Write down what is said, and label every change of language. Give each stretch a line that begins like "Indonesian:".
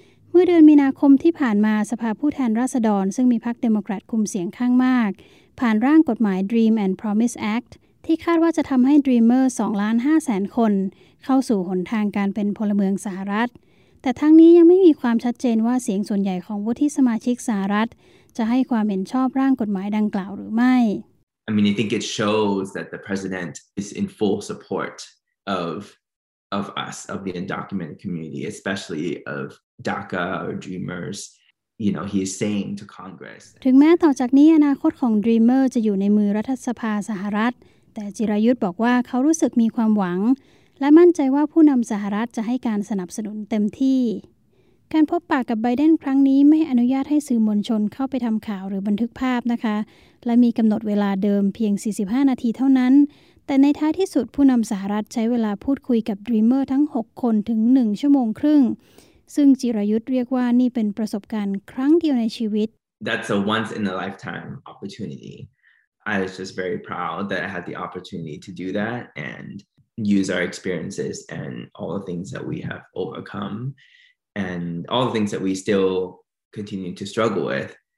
Thai: เมื่อเดือนมีนาคมที่ผ่านมาสภาผู้แทนราษฎรซึ่งมีพรรคเดโมแครตคุมเสียงข้างมากผ่านร่างกฎหมาย Dream and Promise Actที่คาดว่าจะทำให้ Dreamer 2.5 ล้านคนเข้าสู่หนทางการเป็นพลเมืองสหรัฐแต่ทั้งนี้ยังไม่มีความชัดเจนว่าเสียงส่วนใหญ่ของวุฒิสมาชิกสหรัฐจะให้ความเห็นชอบร่างกฎหมายดังกล่าวหรือไม่
English: I mean I think it shows that the president is in full support of us of the undocumented community especially of DACA or Dreamers you know he is saying to Congress
Thai: ถึงแม้ต่อจากนี้อนาคตของ Dreamer จะอยู่ในมือรัฐสภาสหรัฐแต่จิรายุทธบอกว่าเขารู้สึกมีความหวังและมั่นใจว่าผู้นำสหรัฐจะให้การสนับสนุนเต็มที่การพบปะกับไบเดนครั้งนี้ไม่อนุญาตให้สื่อมวลชนเข้าไปทำข่าวหรือบันทึกภาพนะคะและมีกำหนดเวลาเดิมเพียง45นาทีเท่านั้นแต่ในท้ายที่สุดผู้นำสหรัฐใช้เวลาพูดคุยกับดรีมเมอร์ทั้ง6คนถึง1ชั่วโมงครึ่งซึ่งจิรายุทธเรียกว่านี่เป็นประสบการณ์ครั้งเดียวในชีวิต
English: That's a once in a lifetime opportunityI was just very proud that I had the opportunity to do that and use our experiences and all the things that we have overcome and all the things that we still continue to struggle with